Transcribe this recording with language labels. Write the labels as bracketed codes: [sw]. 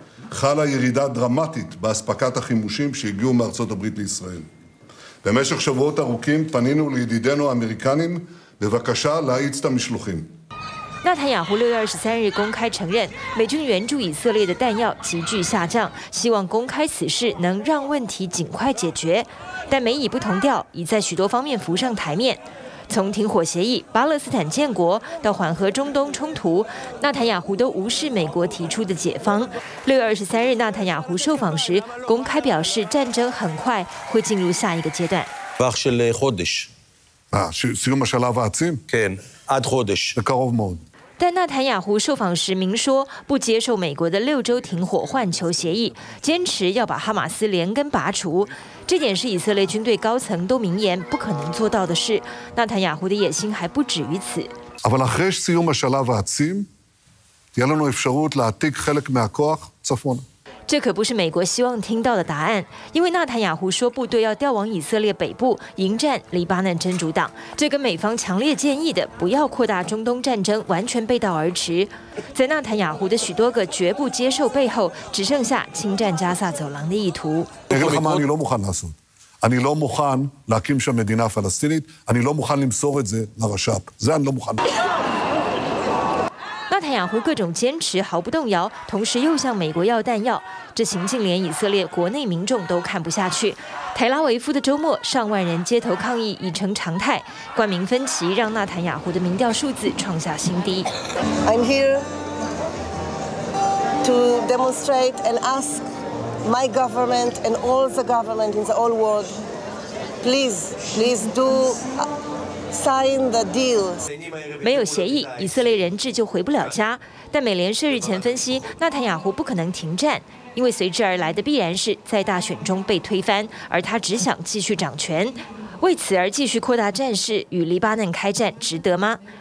[he] חלה ירידה דרמטית באספקת החימושים שהגיעו מארצות הברית לישראל. במשך שבועות ארוכים פנינו לידידינו האמריקנים בבקשה להאיץ את המשלוחים. [zh] 纳坦雅胡6月23日公开承认，美军援助以色列的弹药急剧下降，希望公开此事能让问题尽快解决。但美以不同调，已在许多方面浮上台面。从停火协议、巴勒斯坦建国到缓和中东冲突，纳坦雅胡都无视美国提出的解方。 6月23日，纳坦雅胡受访时公开表示，战争很快会进入下一个阶段。但纳坦雅胡受访时明说，不接受美国的6周停火换球协议，坚持要把哈马斯连根拔除。这点是以色列军队高层都明言不可能做到的事。纳坦雅胡的野心还不止于此。 [he] אבל אחרי סיום השלב העצים, תהיה לנו אפשרות להעתיק חלק מהכוח צפונה. [zh] 这可不是美国希望听到的答案，因为纳坦雅胡说部队要调往以色列北部迎战黎巴嫩真主党，这跟美方强烈建议的不要扩大中东战争完全背道而驰。在纳坦雅胡的许多个绝不接受背后，只剩下侵占加萨走廊的意图。 [he] אני לא מוכן להקים שם מדינה פלסטינית. אני לא מוכן למסור את זה לרש"פ. זה אני לא מוכן. [zh] 纳坦雅胡各种坚持，毫不动摇，同时又向美国要弹药。这行径连以色列国内民众都看不下去。台拉维夫的周末，上万人街头抗议已成常态。冠名分歧让纳坦雅胡的民调数字创下新低。 [en] I'm here to demonstrate and ask. My government and all the government in the whole world, please, please do sign the deal. [zh] 没有协议，以色列人质就回不了家。但美联社日前分析，纳坦雅胡不可能停战，因为随之而来的必然是在大选中被推翻，而他只想继续掌权。为此而继续扩大战事与黎巴嫩开战，值得吗？